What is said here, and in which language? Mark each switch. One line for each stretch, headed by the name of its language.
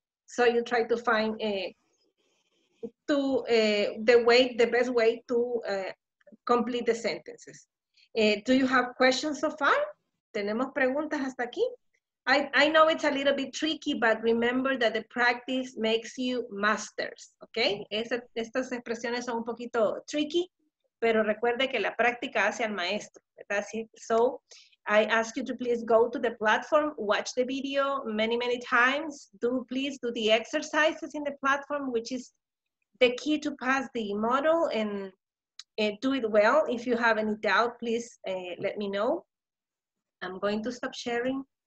English: So you try to find the best way to complete the sentences. Do you have questions so far?
Spanish: ¿Tenemos preguntas hasta aquí?
English: I know it's a little bit tricky, but remember that the practice makes you masters, okay?
Spanish: Estas expresiones son un poquito tricky, pero recuerde que la práctica hace al maestro, ¿verdad?
English: So I ask you to please go to the platform, watch the video many, many times. Please do the exercises in the platform, which is the key to pass the model, and do it well. If you have any doubt, please let me know. I'm going to stop sharing.